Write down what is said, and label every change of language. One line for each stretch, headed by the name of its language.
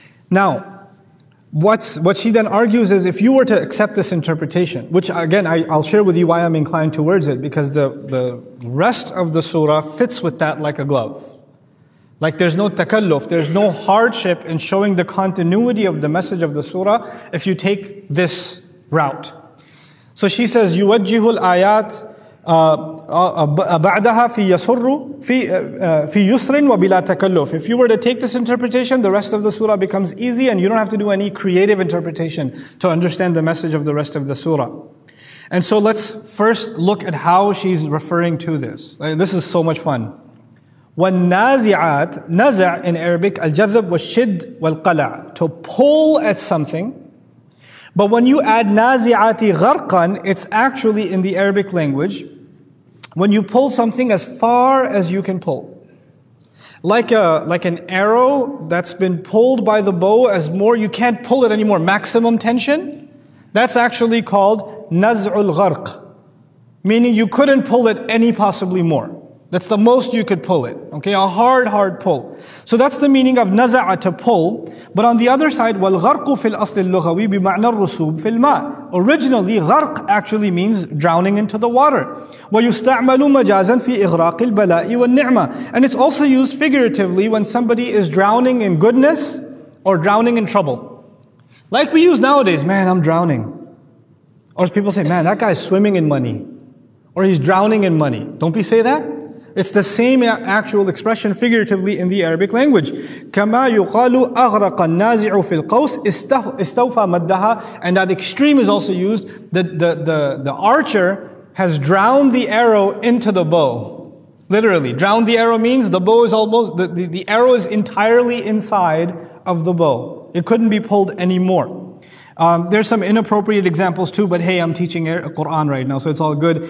English: Now, what she then argues is, if you were to accept this interpretation, which again, I'll share with you why I'm inclined towards it, because the rest of the surah fits with that like a glove. Like there's no takalluf, there's no hardship in showing the continuity of the message of the surah if you take this route.
Arabic: So she says, يُوَجِّهُ الْآيَاتِ بَعْدَهَا فِي يَسُرُّ فِي يُسْرٍ وَبِلَا تَكَلُّفٍ.
English: If you were to take this interpretation, the rest of the surah becomes easy and you don't have to do any creative interpretation to understand the message of the rest of the surah. And so let's first look at how she's referring to this. This is so much fun.
Arabic: وَالنَّازِعَاتِ نَزَعْ
English: in Arabic
Arabic: الْجَذَبْ وَالشِّدْ وَالْقَلَعْ,
English: to pull at something. But when you add
Arabic: نَازِعَاتِ غَرْقًا,
English: it's actually in the Arabic language, when you pull something as far as you can pull. Like an arrow that's been pulled by the bow as more, you can't pull it anymore, maximum tension. That's actually called
Arabic: نَزْعُ الْغَرْقِ.
English: Meaning you couldn't pull it any possibly more. That's the most you could pull it. Okay, a hard, hard pull. So that's the meaning of naza'a, to pull.
Arabic: But on the other side, وَالْغَرْقُ فِي الْأَصْلِ اللُّغَوِي بِمَعْنَ الرُّسُوبِ فِي الْمَاءِ.
English: Originally, غَرْق actually means drowning into the water.
Arabic: وَيُسْتَعْمَلُ مَجَازًا فِي إِغْرَاقِ الْبَلَاءِ وَالنِّعْمَةِ.
English: And it's also used figuratively when somebody is drowning in goodness or drowning in trouble. Like we use nowadays, man, I'm drowning. Or people say, man, that guy's swimming in money. Or he's drowning in money. Don't we say that? It's the same actual expression figuratively in the Arabic language.
Arabic: كما يقال أغرق النازع في القوس استوفى مدها.
English: And that extreme is also used. The archer has drowned the arrow into the bow. Literally, drowned the arrow means the bow is almost, the arrow is entirely inside of the bow. It couldn't be pulled anymore. There's some inappropriate examples too, but hey, I'm teaching Quran right now, so it's all good.